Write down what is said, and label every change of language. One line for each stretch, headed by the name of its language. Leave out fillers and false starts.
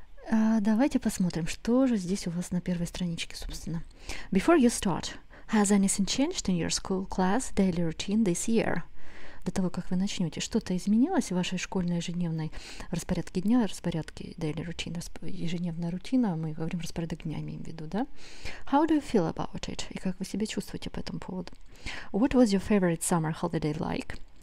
Russian: Давайте посмотрим, что же здесь у вас на первой страничке, собственно.
English: Before you start, has anything changed in your school class daily routine this year?
Russian: До того, как вы начнете, что-то изменилось в вашей школьной ежедневной распорядке дня, распорядке
English: daily routine,
Russian: ежедневная рутина, мы говорим распорядок дня, имеем в виду, да?
English: How do you feel about it?
Russian: И как вы себя чувствуете по этому поводу?
English: What was your favorite summer holiday like?